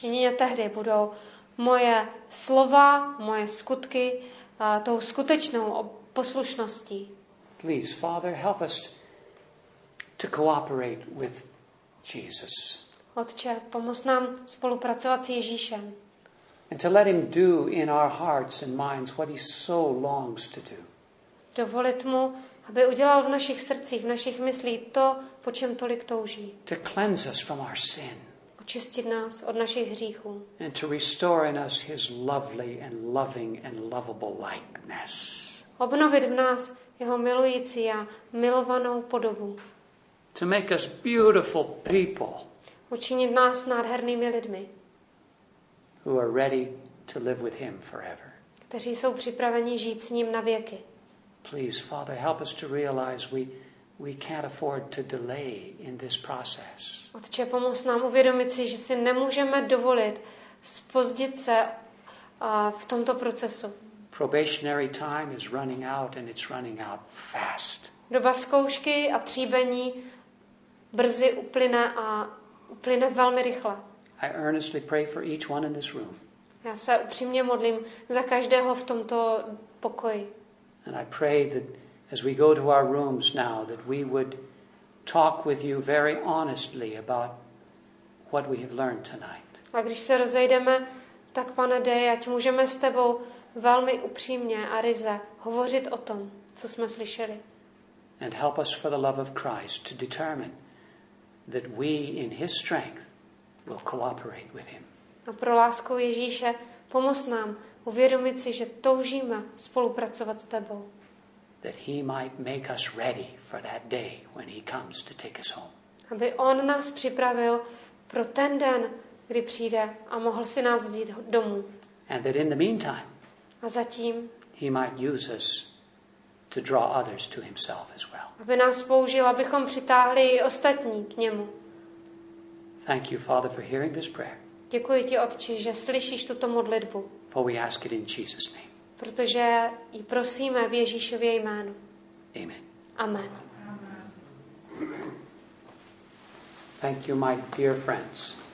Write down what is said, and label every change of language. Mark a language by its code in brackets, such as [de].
[cs] Jedině tehdy budou moje slova, moje skutky tou skutečnou poslušností. [en] Please, Father, help us to cooperate with Jesus. [cs] Otče, pomoz nám spolupracovat s Ježíšem. [en] And to let him do in our hearts and minds what he so longs to do. [cs] Dovolit mu, aby udělal v našich srdcích, v našich myslích to, po čem tolik touží. [en] To cleanse us from our sin. [cs] Očistit nás od našich hříchů. [en] And to restore in us his lovely and loving and lovable likeness. [cs] Obnovit v nás jeho milující a milovanou podobu. [en] To make us beautiful people. [cs] Učinit nás nádhernými lidmi. [en] Who are ready to live with him forever. [cs] Kteří jsou připraveni žít s ním na věky. [en] Please, Father, help us to realize we can't afford to delay in this process. [cs] Otče, pomoz nám uvědomit si, že si nemůžeme dovolit zpozdit se v tomto procesu. [en] Probationary time is running out and it's running out fast. [cs] Doba zkoušky a tříbení brzy uplyne a uplyne velmi rychle. [en] I earnestly pray for each one in this room. [cs] Já se upřímně modlím za každého v tomto pokoji. [en] And I pray that as we go to our rooms now that we would talk with you very honestly about what we have learned tonight. [cs] A když se rozejdeme, tak Pane, dej, ať můžeme s tebou velmi upřímně a ryze hovořit o tom, co jsme slyšeli. [en] And help us for the love of Christ to determine that we in his strength will cooperate with him. [cs] A pro lásku Ježíše, pomoz nám uvědomit si, že toužíme spolupracovat s tebou. [en] That he might make us ready for that day when he comes to take us home. [cs] Aby on nás připravil pro ten den, kdy přijde a mohl si nás vzít domů. [en] And that in the meantime, [cs] a zatím, [en] he might use us to draw others to himself as well. [cs] Aby nás použil, abychom přitáhli i ostatní k němu. [en] Thank you, Father, for hearing this prayer. [cs] Děkuji ti, Otče, že slyšíš tuto modlitbu. [en] For we ask it in Jesus' name. [cs] Protože ji prosíme v Ježíšově jménu. [en] Amen. [cs] Amen. [en] Thank you, my dear friends.